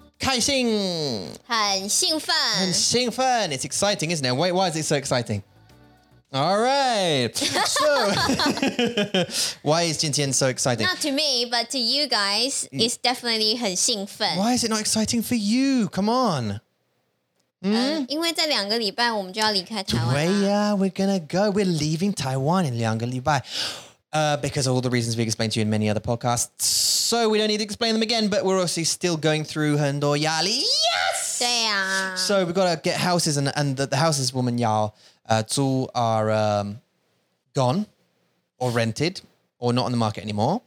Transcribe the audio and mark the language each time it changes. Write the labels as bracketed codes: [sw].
[zh] 开心! 很兴奋! 很兴奋! [en] It's exciting, isn't it? Wait, why is it so exciting? All right, so why is [zh] 今天 [en] so exciting? Not to me, but to you guys, it's definitely [zh] 很兴奋. [en] Why is it not exciting for you? Come on. [zh] 因为在两个礼拜我们就要离开台湾了. [en] Yeah, we're gonna go. We're leaving Taiwan in [zh] 两个礼拜. [en] Because of all the reasons we explained to you in many other podcasts. So we don't need to explain them again, but we're obviously still going through [zh] 很多压力. [en] Yes! [zh] 对啊. [en] So we've got to get houses and the houses [zh] 我们要... [en] gone or rented or not on the market anymore.